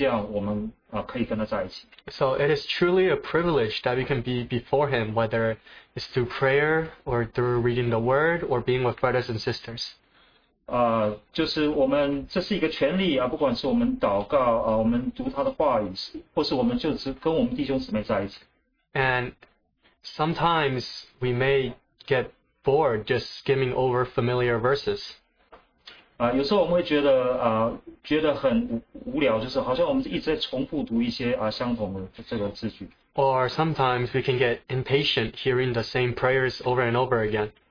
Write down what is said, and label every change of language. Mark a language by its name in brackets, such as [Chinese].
[Chinese] 我被就被提醒他的谦卑，他的受苦，因为这样我们可以跟他在一起。So [English] it is truly a privilege that we can be before him, whether it's through prayer or through reading the word or being with brothers and sisters. [Chinese] 就是我们这是一个权利，不管是我们祷告，我们读他的话语，或是我们就只跟我们弟兄姊妹在一起。And [English] sometimes we may get bored just skimming over familiar verses. [Chinese] 有时候我们会觉得很无聊，就是好像我们一直在重复读一些相同的这个字句。Or [English] sometimes we can get impatient hearing the same prayers over and over again.